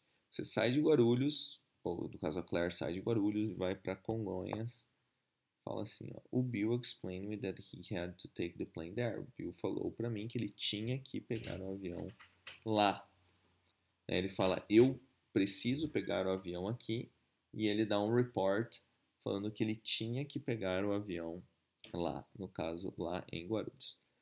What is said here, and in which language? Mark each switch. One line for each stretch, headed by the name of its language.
Portuguese: Você sai de Guarulhos, ou no caso a Claire sai de Guarulhos e vai para Congonhas. Fala assim, ó,
English: o Bill explained me that he had to take the plane there.
Portuguese: O Bill falou para mim que ele tinha que pegar o avião lá. Ele fala, eu preciso pegar o avião aqui, e ele dá um report falando que ele tinha que pegar o avião lá, no caso, lá em Guarulhos.